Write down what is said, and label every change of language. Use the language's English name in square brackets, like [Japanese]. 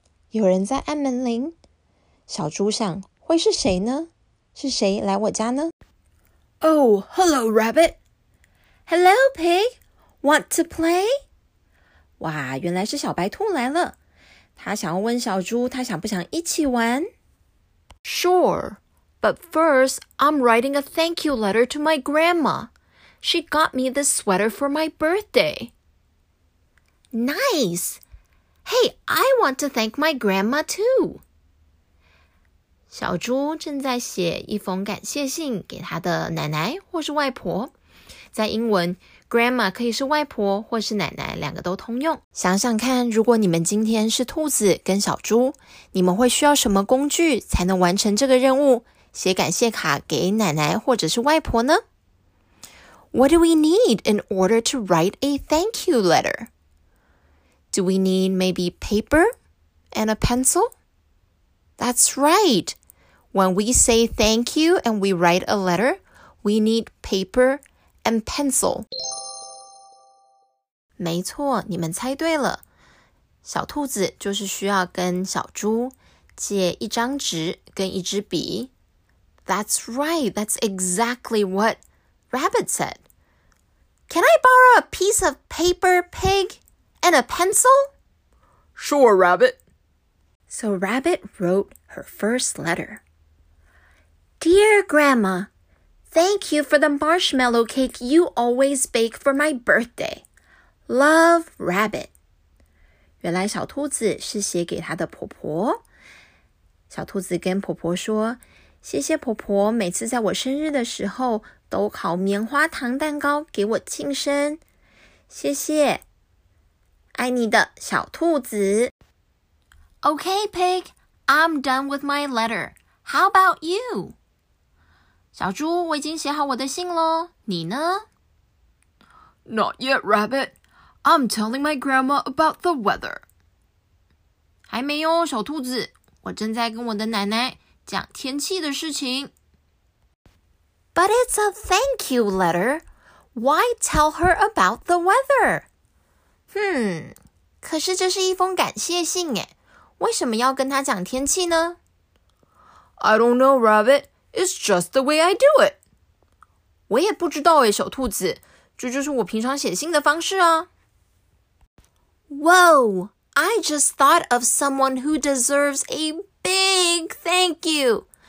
[Chinese] 有人在按门铃。小猪想，会是谁呢？是谁来我家呢？ [English] Oh, hello, rabbit. Hello, pig. Want to play? [Chinese] 哇，原来是小白兔来了。他想要问小猪，他想不想一起玩？ [English] Sure, but first I'm writing a thank you letter to my grandma. She got me this sweater for my birthday. Nice! Hey, I want to thank my grandma too. [Chinese] 小猪正在写一封感谢信给他的奶奶或是外婆。在英文Grandma 可以是外婆或是奶奶，两个都通用。想想看，如果你们今天是兔子跟小猪，你们会需要什么工具才能完成这个任务，写感谢卡给奶奶或者是外婆呢？ [English] What do we need in order to write a thank you letter? Do we need maybe paper and a pencil? That's right. When we say thank you and we write a letter, we need paper and pencil. [Chinese] 没错，你们猜对了。小兔子就是需要跟小猪借一张纸跟一支笔。 [English] That's right. That's exactly what Rabbit said. Can I borrow a piece of paper, Pig, and a pencil? Sure, Rabbit. So Rabbit wrote her first letter. Dear Grandma, thank you for the marshmallow cake you always bake for my birthday. Love, Rabbit. [Chinese] 原来小兔子是写给她的婆婆。小兔子跟婆婆说，谢谢婆婆每次在我生日的时候都烤棉花糖蛋糕给我庆生。谢谢。爱你的小兔子。 [English] Okay, Pig, I'm done with my letter. How about you? [Chinese] 小猪，我已经写好我的信咯。你呢？ [English] Not yet, Rabbit. I'm telling my grandma about the weather. [Chinese] 还没哦，小兔子，我正在跟我的奶奶讲天气的事情。 [English] But it's a thank you letter. Why tell her about the weather? [Chinese] 可是这是一封感谢信耶，为什么要跟她讲天气呢？ [English] I don't know, Rabbit. It's just the way I do it. [Chinese] 我也不知道耶，小兔子，这就是我平常写信的方式啊。 [English] Whoa, I just thought of someone who deserves a big thank you.